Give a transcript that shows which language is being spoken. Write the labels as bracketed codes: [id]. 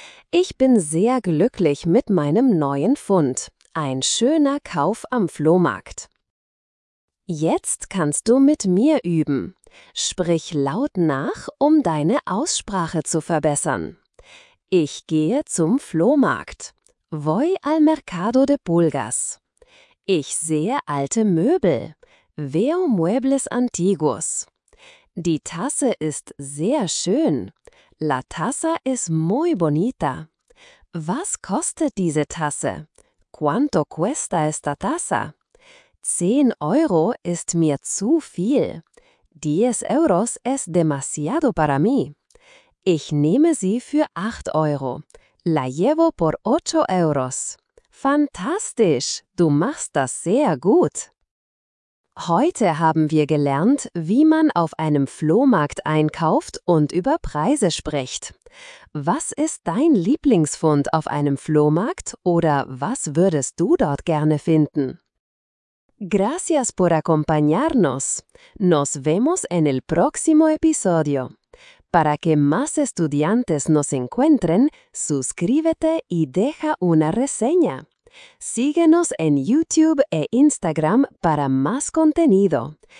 [de] Ich bin sehr glücklich mit meinem neuen Fund. Ein schöner Kauf am Flohmarkt. Jetzt kannst du mit mir üben. Sprich laut nach, um deine Aussprache zu verbessern. Ich gehe zum Flohmarkt. [es] Voy al mercado de pulgas. [de] Ich sehe alte Möbel. [es] Veo muebles antiguos. [de] Die Tasse ist sehr schön. [es] La taza es muy bonita. [de] Was kostet diese Tasse? [es] ¿Cuánto cuesta esta taza? [de] 10 Euro ist mir zu viel. [es] 10 euros es demasiado para mí. [de] Ich nehme sie für 8 Euro. [es] La llevo por 8 euros. [de] Fantastisch! Du machst das sehr gut! Heute haben wir gelernt, wie man auf einem Flohmarkt einkauft und über Preise spricht. Was ist dein Lieblingsfund auf einem Flohmarkt oder was würdest du dort gerne finden? [es] Gracias por acompañarnos. Nos vemos en el próximo episodio. Para que más estudiantes nos encuentren, suscríbete y deja una reseña. Síguenos en YouTube e Instagram para más contenido.